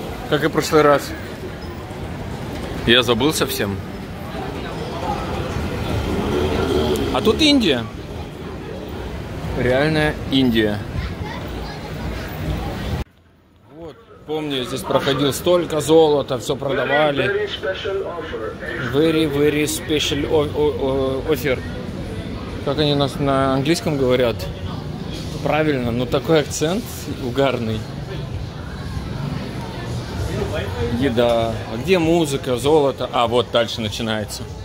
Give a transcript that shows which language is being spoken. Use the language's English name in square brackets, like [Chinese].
[Russian] Как и в прошлый раз. Я забыл совсем. А тут Индия. Реальная Индия. Вот, помню, я здесь проходил, столько золота, все продавали. [English] Very, very special offer. [Russian] Как они нас на английском говорят? Правильно, но такой акцент угарный. Еда. А где музыка, золото? А, вот дальше начинается.